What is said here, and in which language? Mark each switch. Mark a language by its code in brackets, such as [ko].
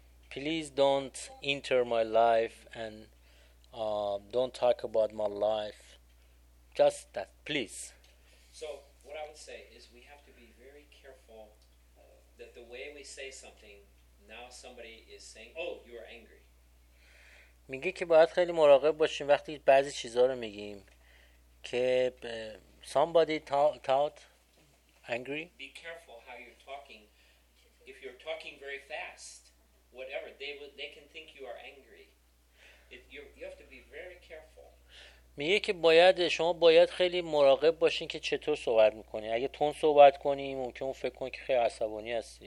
[en] Please don't enter my life and don't talk about my life. Just that, please. So what I would say is we have to be very careful that the way we say something, now somebody is saying, oh, you are angry. [fa] میگه که باید خیلی مراقب باشیم وقتی بعضی چیزها رو میگیم که [en] somebody thought angry. Be careful how you're talking. If you're talking very fast, whatever, they can think you are angry. You have to be very careful. [fa] میگه که باید شما باید خیلی مراقب باشین که چطور صحبت میکنی. اگه تون صحبت کنی ممکن اون فکر کنه که خیلی عصبانی هستی.